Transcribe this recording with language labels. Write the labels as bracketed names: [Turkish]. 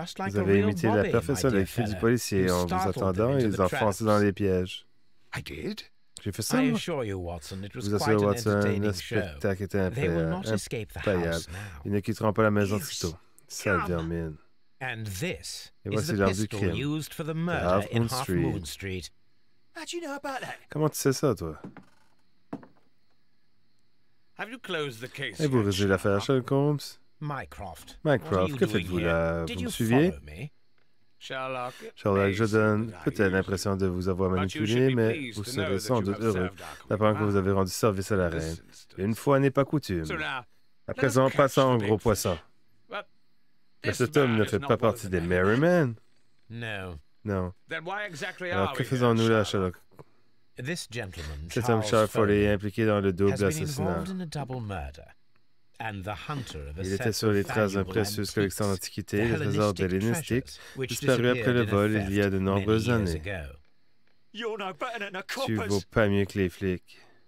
[French] Vous avez imité la perfection des cris du policier en vous attendant et les enfoncer dans les pièges. [English] I did. [French] J'ai fait ça. [English] I assure you, Watson, it was quite an entertaining show. They will not escape the house now. [French] Ils ne quitteront pas la maison sitôt. Sale vermine. [English] And this is the pistol used for the murder in Half Moon Street. How do you know about that? [French] Comment tu sais ça, toi? [English] Have you closed the case? [French] Et vous résolvez l'affaire, Sherlock Holmes? Mycroft. Mycroft, que faites-vous là? Vous me suiviez? Sherlock, Sherlock, je donne peut-être l'impression de vous avoir manipulé, mais vous serez sans doute heureux d'apprendre que vous avez rendu service à la reine. Une fois n'est pas coutume. À présent, passons au gros poisson. Mais cet homme ne fait pas partie des Merry Men. Non. Non. [English] Then why exactly [French] Alors, que faisons-nous là, Sherlock? [English] This gentleman, [French] Cet homme, Charles Foley, est impliqué dans le double assassinat. [English] In a double murder, and the hunter of a [French] il était sur les traces d'un précieux collection d'antiquités, le trésor de l'hellénistique, disparu après le vol il y a de nombreuses années. Tu ne vaux pas mieux que les flics.